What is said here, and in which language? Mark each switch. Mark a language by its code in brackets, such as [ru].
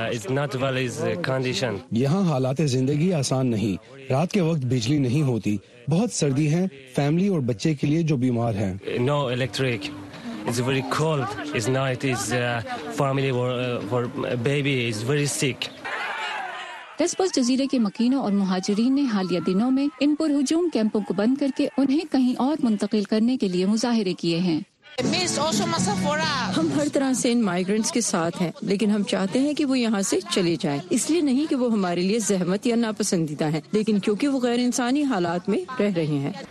[ur] یہاں حالات زندگی آسان نہیں، رات کے وقت بجلی نہیں ہوتی، بہت سردی ہے، فیملی اور بچے کے لیے جو بیمار ہیں۔ [en] No electric, it's very cold, it's night, it's family for baby is very sick۔ [ur] لیسبوس جزیرے کے مکینوں اور مہاجرین نے حالیہ دنوں میں ان پر ہجوم کیمپوں کو بند کر کے انہیں کہیں اور منتقل کرنے کے لیے مظاہرے کیے ہیں۔ ہم ہر طرح سے ان مائیگرنٹس کے ساتھ ہیں، لیکن ہم چاہتے ہیں کہ وہ یہاں سے چلے جائیں، اس لیے نہیں کہ وہ ہمارے لیے زحمت یا ناپسندیدہ ہیں، لیکن کیونکہ وہ غیر انسانی حالات میں رہ رہے ہیں۔